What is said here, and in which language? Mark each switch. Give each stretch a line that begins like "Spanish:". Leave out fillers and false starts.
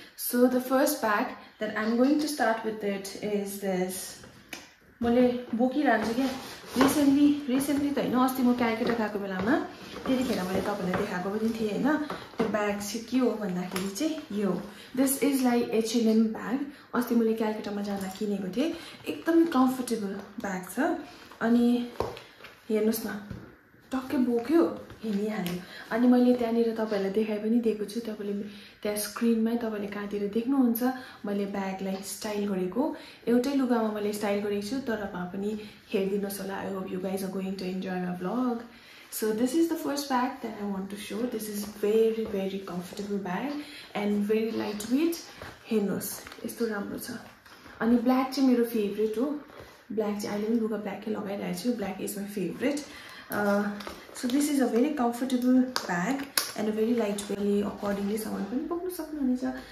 English: So the first bag that I'm going to start with it is this.
Nepali: मैले बोकिरहन्छु क्या, recently त होइन, अस्ति म क्यालकाटा गएको बेलामा त्यतिखेर मैले तपाईँलाई देखाएको पनि थिएँ होइन. त्यो ब्याग चाहिँ के हो भन्दाखेरि चाहिँ यो,
English: This is like H and M bag.
Nepali: अस्ति मैले क्यालकाटामा जाँदा किनेको थिएँ, एकदम कम्फर्टेबल ब्याग छ. अनि हेर्नुहोस् न, टक्कै बोक्यो, हिँडिहाल्यो. अनि मैले त्यहाँनिर तपाईँहरूलाई देखाइ पनि दिएको छु, तपाईँले त्यहाँ स्क्रिनमै तपाईँले कहाँतिर देख्नुहुन्छ मैले ब्यागलाई स्टाइल गरेको. एउटै लुगामा मैले स्टाइल गरेको छु, तर भए पनि हेरिदिनुहोस् होला.
English: I hope you guys are going to enjoy my blog. So this is the first bag that I want to show. This is very very comfortable bag and very light weight.
Nepali: हेर्नुहोस् यस्तो राम्रो छ. अनि black चाहिँ मेरो favourite हो, black चाहिँ अहिले पनि लुगा ब्ल्याकै लगाइरहेको छु.
English: Black is my favourite. So this is a very comfortable bag and a very light belly accordingly someone can pack
Nepali: no sakna hunecha.